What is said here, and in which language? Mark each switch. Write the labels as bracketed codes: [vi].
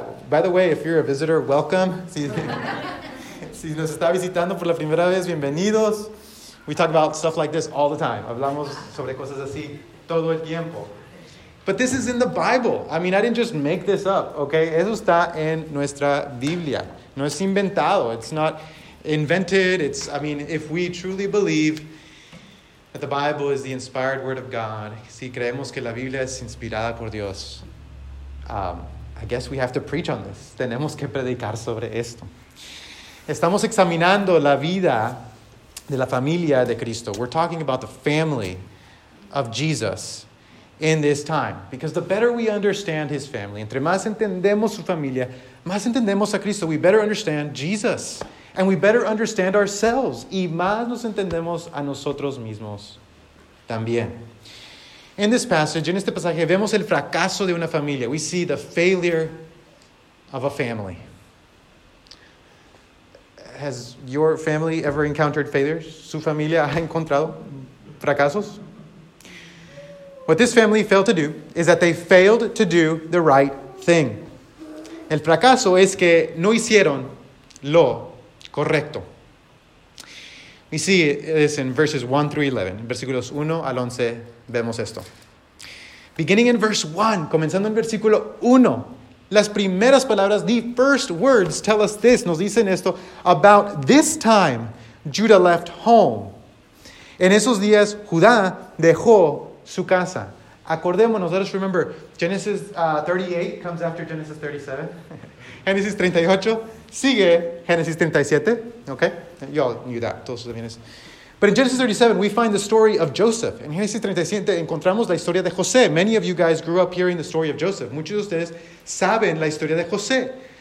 [en] By the way, if you're a visitor, welcome. [es] Si nos está visitando por la primera vez, bienvenidos. [en] We talk about stuff like this all the time. [es] Hablamos sobre cosas así todo el tiempo. [en] But this is in the Bible. I mean, I didn't just make this up, okay? [es] Eso está en nuestra Biblia. No es inventado. [en] It's not invented. It's, I mean, if we truly believe that the Bible is the inspired word of God, [es] si creemos que la Biblia es inspirada por Dios, [en] I guess we have to preach on this. [es] Tenemos que predicar sobre esto. Estamos examinando la vida de la familia de Cristo. [en] We're talking about the family of Jesus in this time. Because the better we understand his family, [es] entre más entendemos su familia, más entendemos a Cristo. [en] We better understand Jesus. And we better understand ourselves. [es] Y más nos entendemos a nosotros mismos también. [en] In this passage, [es] en este pasaje, vemos el fracaso de una familia. [en] We see the failure of a family. Has your family ever encountered failures? [es] ¿Su familia ha encontrado fracasos? [en] What this family failed to do is that they failed to do the right thing. [es] El fracaso es que no hicieron lo correcto. [en] We see this in verses 1 through 11. [es] En versículos 1 al 11 vemos esto. [en] Beginning in verse 1, [es] comenzando en versículo 1, las primeras palabras, [en] the first words tell us this, [es] nos dicen esto, [en] about this time Judah left home. [es] En esos días, Judá dejó su casa. Acordémonos, [en] let us remember, Genesis 38 comes after Genesis 37. [es] Genesis 38 sigue Genesis 37. Okay? [en] Y'all knew that. [es] Todos sabían eso. [en] But in Genesis 37, we find the story of Joseph. [es] En Genesis 37, encontramos la historia de José. [en] Many of you guys grew up hearing the story of Joseph. [es] Muchos de ustedes saben la historia de José.